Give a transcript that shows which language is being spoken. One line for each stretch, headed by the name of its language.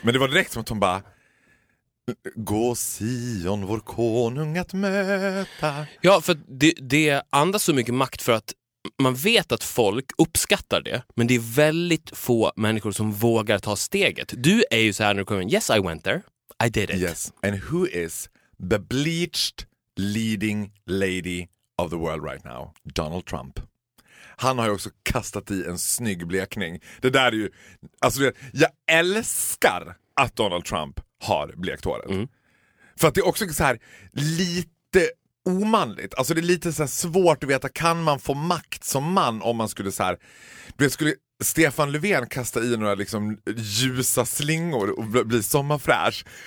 Swedish: Men det var direkt som att de bara gå Sion, vår konung att möta. Ja, för det andas så mycket makt för att man vet att folk uppskattar det, men det är väldigt få människor som vågar ta steget. Du är ju så här när du kommer in,
English: yes I went there, I did it. Yes, and who is the bleached leading lady of the world right now? Donald Trump.
Swedish: Han har ju också kastat i en snygg blekning. Det där är ju, alltså jag älskar att Donald Trump har blekt håret. Mm. För att det är också så här lite omanligt. Alltså det är lite så här svårt att veta, kan man få makt som man om man skulle så här, skulle Stefan Löfven kasta i några liksom ljusa slingor och bli sommarfräsch?